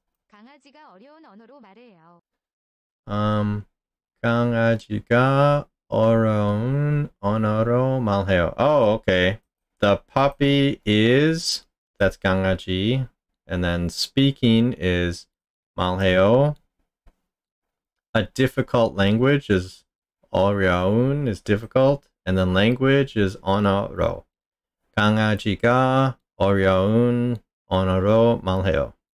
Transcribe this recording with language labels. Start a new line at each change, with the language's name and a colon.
Korean: 강아지가 어려운 언어로 말해요. 강아지가 어려운 언어로 말해요.
English: Oh, okay. The puppy is, that's 강아지, and then speaking is 말해요. A difficult language is 어려운, is difficult, and then language is 언어로.
Korean: 강아지가 어려운 언어로 말해요.